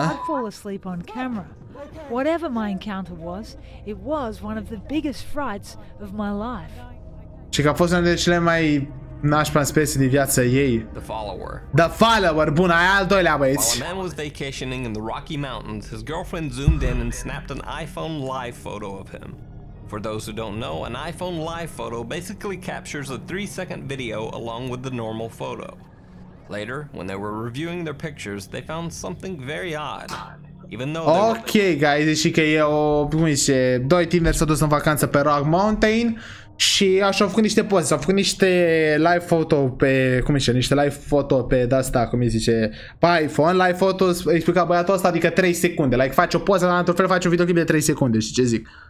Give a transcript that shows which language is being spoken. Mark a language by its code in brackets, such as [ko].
[en] I'd fall asleep on camera. Whatever my encounter was, it was one of the biggest frights of my life. [ro] Și că a fost una dintre cele mai nașpa spese din viața ei. [en] The follower, [ro] bun, aia al doilea, băieți. [en] While a man was vacationing in the Rocky Mountains, his girlfriend zoomed in and snapped an iPhone live photo of him. For those who don't know, an iPhone live photo basically captures a 3-second video along with the normal photo. Later, when they were reviewing their pictures, they found something very odd. [ro] Ok, guys, deci că e o, cum zice, doi tineri s-au dus în vacanță pe Rock Mountain și așa au făcut niște poze, s-au făcut niște live photo pe, cum zice, niște live photo pe de-asta, cum zice, pe iPhone, live photo, explica băiatul ăsta, adică 3 secunde, like, faci o poză, dar într-un fel faci un videoclip de 3 secunde, știi ce zic?